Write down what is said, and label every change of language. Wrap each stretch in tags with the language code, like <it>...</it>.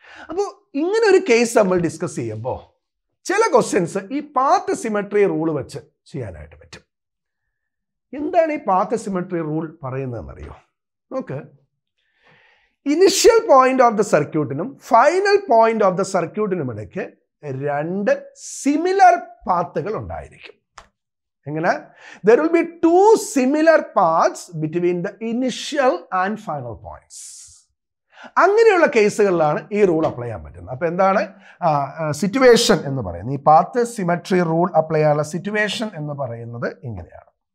<ml>അപ്പോൾ ഇങ്ങനെ ഒരു കേസ് നമ്മൾ ഡിസ്കസ് ചെയ്യുമ്പോൾ ചില ക്വസ്റ്റ്യൻസ് ഈ പാത്ത് സിമട്രി റൂള് വെച്ച് ചെയ്യാനായിട്ട് പറ്റും. എന്താണ് ഈ പാത്ത് സിമട്രി റൂൾ പറയുന്നതെന്നറിയോ? നോക്ക്,</ml> <en>initial point of the സർക്യൂട്ടിനും final point of the സർക്യൂട്ടിനും</en> <ml>ഇടയ്ക്ക് രണ്ട് സിമിലർ പാത്തുകൾ ഉണ്ടായിരിക്കും. എങ്ങനെ?</ml> <en>There will be two similar paths between the initial and final points.</en> <ml>അങ്ങനെയുള്ള കേസുകളിലാണ് ഈ റൂൾ അപ്ലൈ ചെയ്യാൻ പറ്റുന്നത്. അപ്പൊ എന്താണ് സിറ്റുവേഷൻ എന്ന് പറയുന്നത്? ഈ പാത്ത് സിമട്രി റൂൾ അപ്ലൈ ചെയ്യാനുള്ള സിറ്റുവേഷൻ എന്ന് പറയുന്നത് ഇങ്ങനെയാണ്.</ml>